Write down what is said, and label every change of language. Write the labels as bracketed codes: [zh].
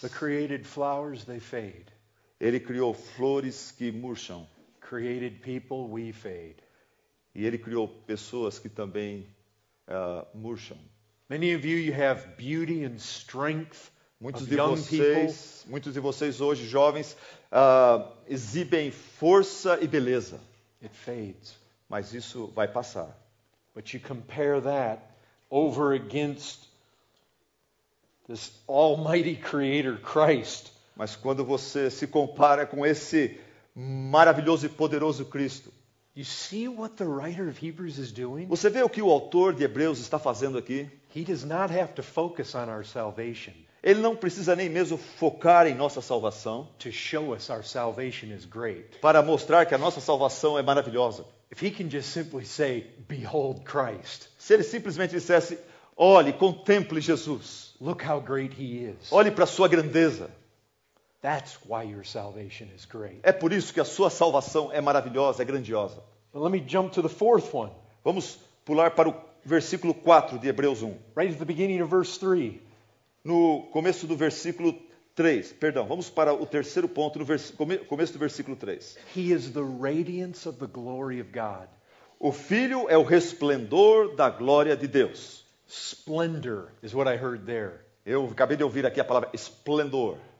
[en] The created flowers, they fade. [pt] Ele criou flores que murcham. [en] Created people, we fade. [pt] E ele criou pessoas que também murcham. [en] Many of you, you have beauty and strength. [pt] Muitos de vocês hoje jovens exibem força e beleza. [en] It fades. [pt] Mas isso vai passar. [en] But you compare that over against this almighty creator Christ. [pt] Mas quando você se compara com esse maravilhoso e poderoso Cristo, [en] you see what the writer of Hebrews is doing? [pt] Você vê o que o autor de Hebreus está fazendo aqui? [en] He does not have to focus on our salvation. [pt] Ele não precisa nem mesmo focar em nossa salvação [en] to show us our salvation is great. [pt] Para mostrar que a nossa salvação é maravilhosa. [en] If he can just simply say, behold Christ. [pt] Se ele simplesmente dissesse, olhe, contemple Jesus. [en] Look how great he is. [pt] Olhe para a sua grandeza. [en] That's why your salvation is great. [pt] É por isso que a sua salvação é maravilhosa, é grandiosa. [en] But let me jump to the fourth one. [pt] Vamos pular para o versículo 4 de Hebreus 1. [en] Right at the beginning of verse 3. [pt] No começo do versículo 3, perdão, vamos para o terceiro ponto, no começo do versículo 3. [en] He is the radiance of the glory of God. [pt] O Filho é o resplendor da glória de Deus. [en] Splendor is what I heard there. [pt] Eu acabei de ouvir aqui a palavra esplendor.